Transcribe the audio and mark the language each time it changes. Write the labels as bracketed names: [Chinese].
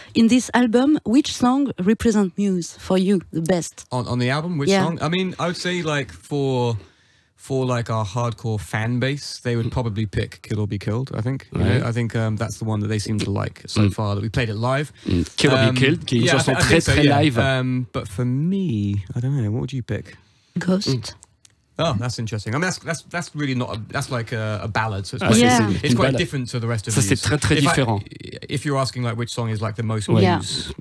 [English] In this album, which song represents Muse for you the best? On the album, which song? I mean, I would say like for like our hardcore fan base, they would probably pick Kill or Be Killed, I think. Right. You know? I think that's the one that they seem to like so far, that we played it live. [French] Kill or Be Killed, qui est une chanson très très live. [English] But for me, I don't know, what would you pick? Ghost. Mm. Oh, that's interesting. I mean, that's really not a, that's like a ballad. So it's quite different to the rest of [French] Muse. Ça c'est très très différent. [English] If you're asking like which song is like the most Muse,